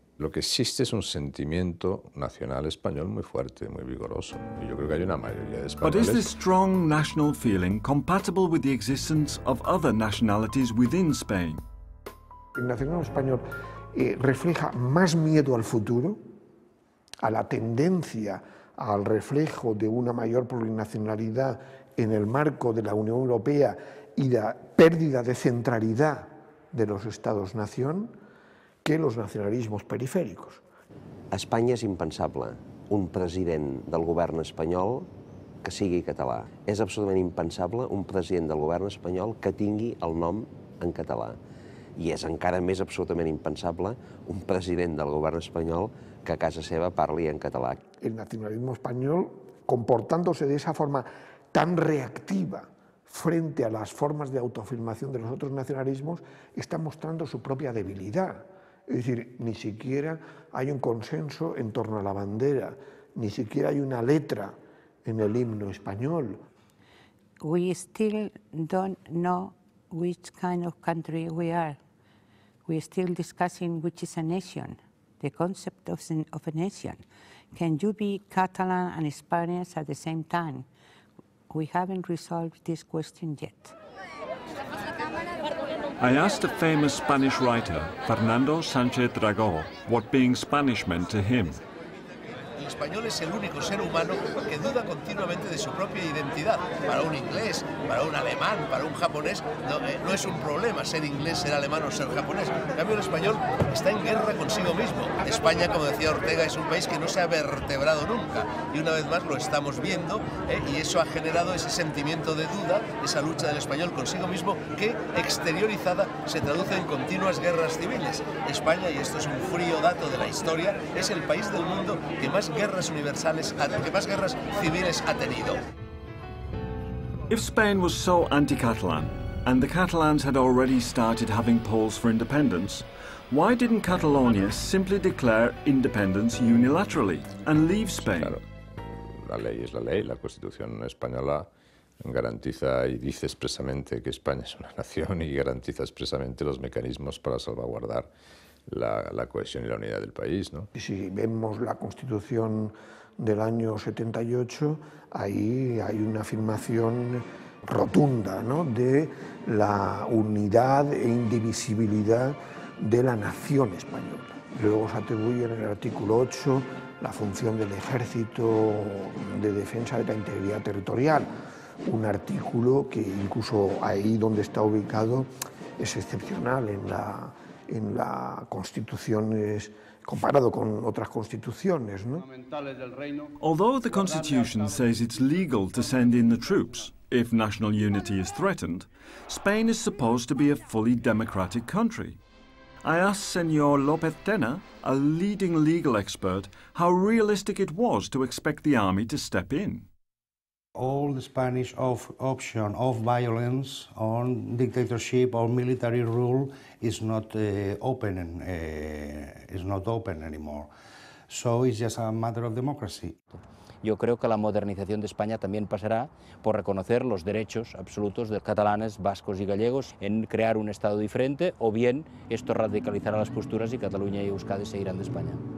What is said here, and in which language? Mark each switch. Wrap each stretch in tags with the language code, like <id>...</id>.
<es>Lo que existe es un sentimiento nacional español muy fuerte, muy vigoroso. Y yo creo que hay una mayoría de españoles.</es> <en>But is this strong national feeling compatible with the existence of other nationalities within Spain?</en> <es>El nacionalismo español refleja más miedo al futuro, a la tendencia al reflejo de una mayor plurinacionalidad en el marco de la Unión Europea y la pérdida de centralidad de los Estados-nación que los nacionalismos periféricos.</es> <ca>A Espanya és impensable un president del govern espanyol que sigui català. És absolutament impensable un president del govern espanyol que tingui el nom en català. I és encara més absolutament impensable un president del govern espanyol que a casa seva parli en català.</ca> <es>El nacionalismo español, comportándose de esa forma tan reactiva frente a las formas de autoafirmación de los otros nacionalismos, está mostrando su propia debilidad. Es decir, ni siquiera hay un consenso en torno a la bandera, ni siquiera hay una letra en el himno español.</es> <en>We still don't know which kind of country we are. We're still discussing which is a nation. The concept of a nation. Can you be Catalan and Spaniards at the same time? We haven't resolved this question yet. I asked a famous Spanish writer, Fernando Sánchez Dragó, what being Spanish meant to him.</en> <es>El español es el único ser humano que duda continuamente de su propia identidad. Para un inglés, para un alemán, para un japonés, no es un problema ser inglés, ser alemán o ser japonés. En cambio, el español está en guerra consigo mismo. España, como decía Ortega, es un país que no se ha vertebrado nunca. Y una vez más lo estamos viendo, y eso ha generado ese sentimiento de duda, esa lucha del español consigo mismo, que exteriorizada se traduce en continuas guerras civiles. España, y esto es un frío dato de la historia, es el país del mundo que más guerras universales, que más guerras civiles ha tenido.</es> <en>If Spain was so anti-Catalan, and the Catalans had already started having polls for independence, why didn't Catalonia simply declare independence unilaterally and leave Spain?</en> <es>Claro, la ley es la ley, la Constitución española garantiza y dice expresamente que España es una nación y garantiza expresamente los mecanismos para salvaguardar la cohesión y la unidad del país, ¿no? Y si vemos la Constitución del año 78, ahí hay una afirmación rotunda, ¿no?, de la unidad e indivisibilidad de la nación española. Luego se atribuye en el artículo 8 la función del ejército de defensa de la integridad territorial, un artículo que incluso ahí donde está ubicado es excepcional en la Constitución, es comparado con otras constituciones, ¿no?</es> <en>Although the Constitution says it's legal to send in the troops if national unity is threatened, Spain is supposed to be a fully democratic country. I asked Señor López Tena, a leading legal expert, how realistic it was to expect the army to step in. All the Spanish option of violence on dictatorship or military rule is not open anymore. So it's just a matter of democracy.</en> <es>Yo creo que la modernización de España también pasará por reconocer los derechos absolutos de catalanes, vascos y gallegos en crear un Estado diferente, o bien esto radicalizará las posturas y Cataluña y Euskadi se irán de España.</es>